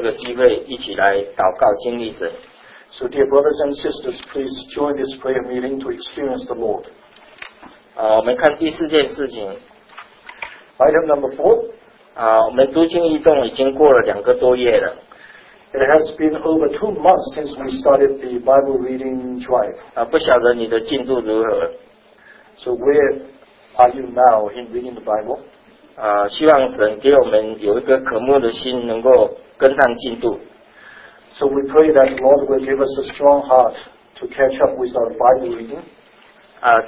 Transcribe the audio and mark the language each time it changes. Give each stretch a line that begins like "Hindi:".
Chinese: 请弟兄姐妹们把握这个机会一起来祷告经历神。
English: So dear brothers and sisters, please join this prayer meeting to experience the Lord.
Chinese: 我们看第四件事情。
English: Item number four.
Chinese: 我们读经异动已经过了两个多月了。
English: It has been over 2 months since we started the Bible reading drive.
Chinese: 不晓得你的进度如何。
English: So where are you now in reading the Bible?
Chinese: 希望神给我们有一个渴慕的心，能够跟上进度。
English: So we pray that the Lord will give us a strong heart to catch up with our Bible reading.